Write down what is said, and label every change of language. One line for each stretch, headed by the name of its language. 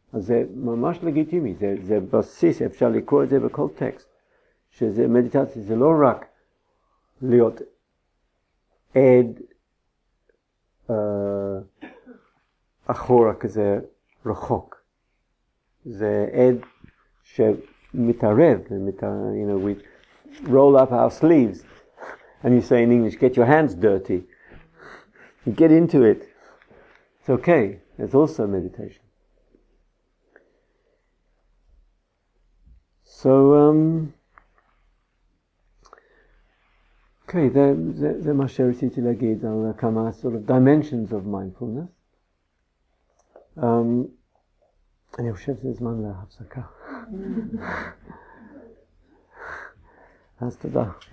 Hebrew: אז זה ממש לגיטימי, זה בסיס, אפשר לקרוא את זה בכל טקסט, שזה מדיטציה, זה לא רק להיות עד אחורה כזה רחוק. זה עד שמתערב,
English: you know, we roll up our sleeves, and you say in English, get your hands dirty, get into it. It's okay, it's also meditation. So, okay,
Hebrew: זה מה שרציתי להגיד על כמה
English: sort of dimensions of mindfulness.
Hebrew: אני חושב שזה זמן להפסקה. אז תודה.